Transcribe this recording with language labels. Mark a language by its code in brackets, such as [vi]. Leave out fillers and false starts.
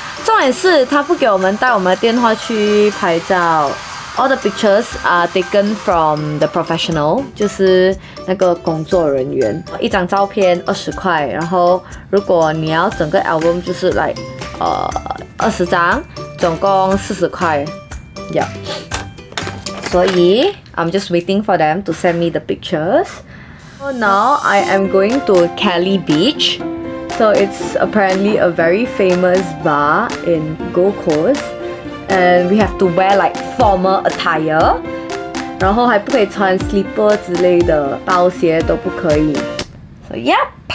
[zh] 重点是它不给我们带我们的电话去拍照 ， [en] all the pictures are taken from the professional， [zh] 就是那个工作人员。一张照片20块，然后如果你要整个 album 就是 like 20张，总共40块。 [en] Yeah. So I'm just waiting for them to send me the pictures. So now I am going to Kelly Beach. So it's apparently a very famous bar in Gold Coast. And we have to wear like formal attire. [zh] 然后还不可以穿 slipper 之类的包鞋都不可以 [en] So yep.